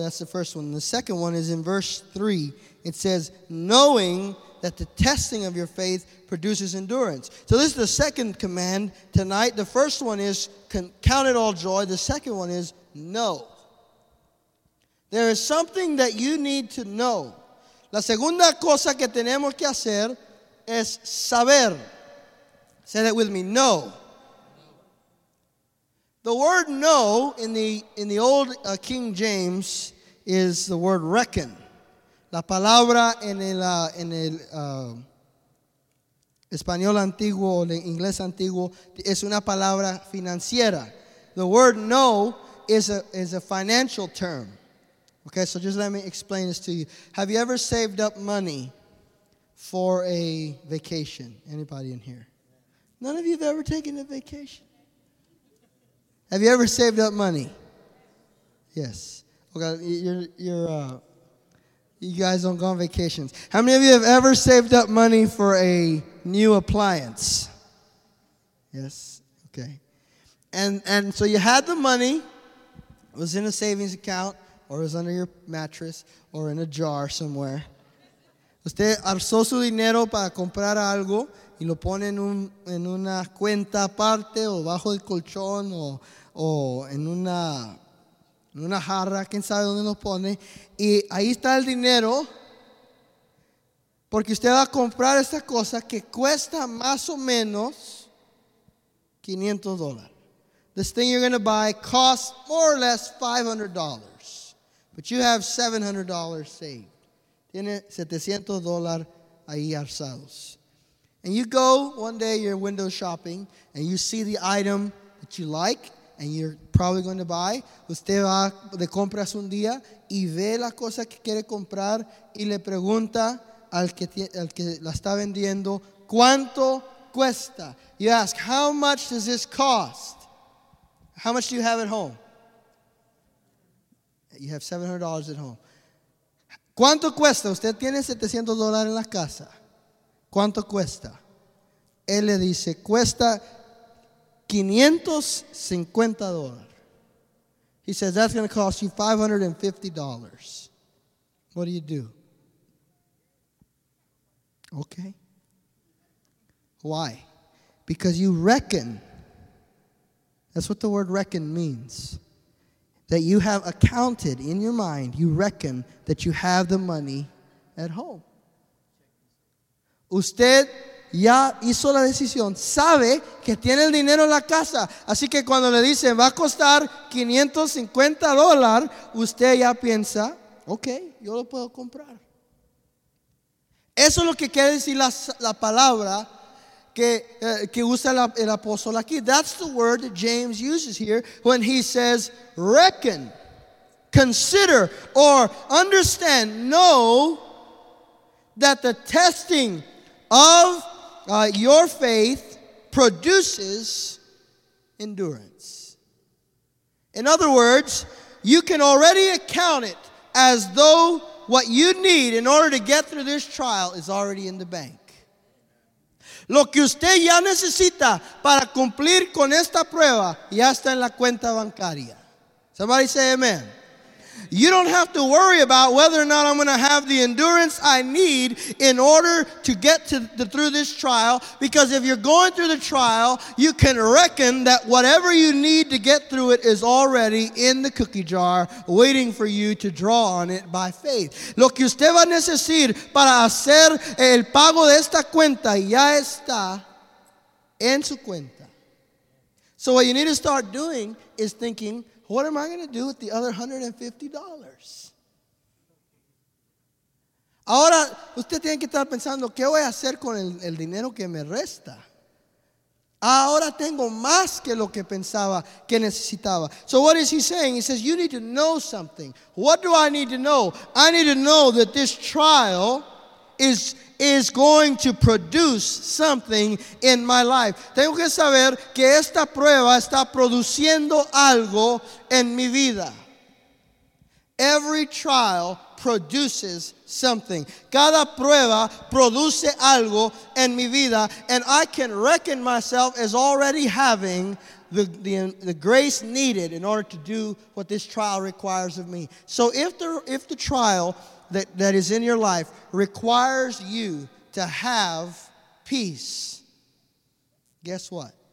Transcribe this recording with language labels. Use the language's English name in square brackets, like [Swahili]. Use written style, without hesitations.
[English] That's the first one. The second one is in verse 3. It says, knowing that the testing of your faith produces endurance. So this is the second command tonight. The first one is, count it all joy. The second one is, know. There is something that you need to know. [Spanish] La segunda cosa que tenemos que hacer es saber. [English] Say that with me, know. The word know in the old King James is the word reckon. [Spanish] La palabra en el español antiguo o en inglés antiguo es una palabra financiera. [English] The word no is a financial term. Okay, so just let me explain this to you. Have you ever saved up money for a vacation? Anybody in here? None of you have ever taken a vacation. Have you ever saved up money? Yes. Okay, you guys don't go on vacations. How many of you have ever saved up money for a new appliance? Yes. Okay. And so you had the money. It was in a savings account, or it was under your mattress, or in a jar somewhere. [Spanish] Usted arzó su dinero para comprar algo, y lo pone en una cuenta aparte, o bajo el colchón, o en una jarra, quién sabe dónde lo pone. Y ahí está el dinero, porque usted va a comprar esta cosa que cuesta más o menos $500. [English] This thing you're going to buy costs more or less $500. But you have $700 saved. [Spanish] Tiene $700 ahí arzados. [English] And you go one day, you're window shopping, and you see the item that you like, and you're probably going to buy. [Spanish] Usted va de compras un día, y ve la cosa que quiere comprar, y le pregunta al que la está vendiendo, ¿cuánto cuesta? [English] You ask, how much does this cost? How much do you have at home? You have $700 at home. [Spanish] ¿Cuánto cuesta? Usted tiene $700 en la casa. ¿Cuánto cuesta? Él le dice, cuesta $550. [English] He says, that's going to cost you $550. What do you do? Okay. Why? Because you reckon. That's what the word reckon means. That you have accounted in your mind, you reckon that you have the money at home. [Spanish] Usted ya hizo la decisión, sabe que tiene el dinero en la casa. Así que cuando le dicen va a costar $550, usted ya piensa, ok, yo lo puedo comprar. Eso es lo que quiere decir la palabra. Que usa el apóstol aquí. [English] That's the word that James uses here when he says, reckon, consider, or understand, know that the testing of your faith produces endurance. In other words, you can already account it as though what you need in order to get through this trial is already in the bank. [Spanish] Lo que usted ya necesita para cumplir con esta prueba ya está en la cuenta bancaria. [English] Somebody say amen. You don't have to worry about whether or not I'm going to have the endurance I need in order to get through this trial. Because if you're going through the trial, you can reckon that whatever you need to get through it is already in the cookie jar waiting for you to draw on it by faith. [Spanish] Lo que usted va a necesitar para hacer el pago de esta cuenta ya está en su cuenta. [English] So what you need to start doing is thinking, what am I going to do with the other $150? [Spanish] Ahora, usted tiene que estar pensando, ¿qué voy a hacer con el dinero que me resta? Ahora tengo más que lo que pensaba que necesitaba. [English] So what is he saying? He says, you need to know something. What do I need to know? I need to know that this trial is going to produce something in my life. [Spanish] Tengo que saber que esta prueba está produciendo algo en mi vida. [English] Every trial produces something. [Spanish] Cada prueba produce algo en mi vida, [English] and I can reckon myself as already having the grace needed in order to do what this trial requires of me. So if the trial that is in your life requires you to have peace, guess what?